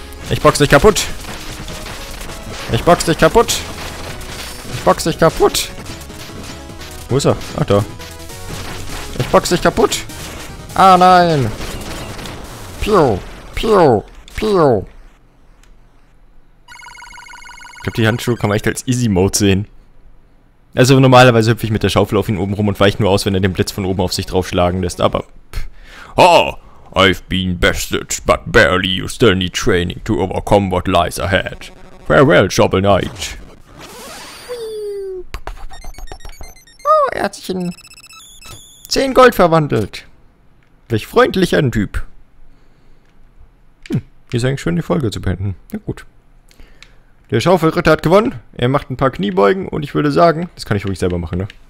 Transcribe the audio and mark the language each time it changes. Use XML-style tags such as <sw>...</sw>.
<de>Ich box dich kaputt. Ich box dich kaputt. Ich box dich kaputt. Wo ist er? Ach, da. Ich box dich kaputt. Ah nein! Pio! Pio! Pio! Ich glaube, die Handschuhe kann man echt als Easy Mode sehen. Also normalerweise hüpfe ich mit der Schaufel auf ihn oben rum und weiche nur aus, wenn er den Blitz von oben auf sich draufschlagen lässt, aber. Pff. Oh!</de> <en>I've been bested, but barely you still need training to overcome what lies ahead. Farewell, Shovel Knight!</en> <de>Oh, er hat sich in 10 Gold verwandelt! Welch freundlicher Typ. Hier ist eigentlich schön, die Folge zu beenden. Na gut. Der Schaufelritter hat gewonnen. Er macht ein paar Kniebeugen und ich würde sagen, das kann ich ruhig selber machen, ne?</de>